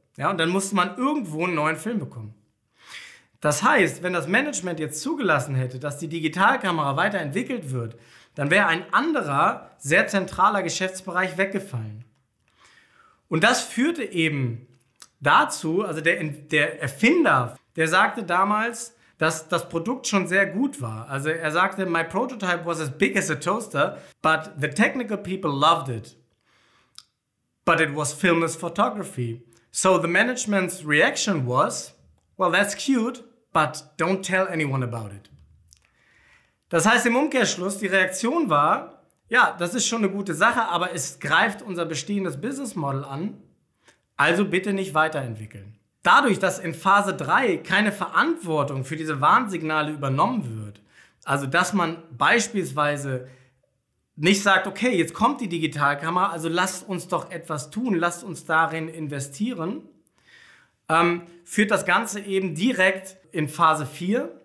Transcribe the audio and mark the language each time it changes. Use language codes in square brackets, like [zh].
[de] Ja, und dann musste man irgendwo einen neuen Film bekommen. Das heißt, wenn das Management jetzt zugelassen hätte, dass die Digitalkamera weiterentwickelt wird, dann wäre ein anderer, sehr zentraler Geschäftsbereich weggefallen. Und das führte eben dazu, also der Erfinder, der sagte damals, dass das Produkt schon sehr gut war. Also er sagte, [en] my prototype was as big as a toaster, but the technical people loved it. But it was filmless photography. So the management's reaction was, well, that's cute, but don't tell anyone about it. [de] Das heißt im Umkehrschluss, die Reaktion war, ja, das ist schon eine gute Sache, aber es greift unser bestehendes Business Model an, also bitte nicht weiterentwickeln. Dadurch, dass in Phase 3 keine Verantwortung für diese Warnsignale übernommen wird, also dass man beispielsweise nicht sagt, okay, jetzt kommt die Digitalkamera, also lasst uns doch etwas tun, lasst uns darin investieren, führt das Ganze eben direkt in Phase 4.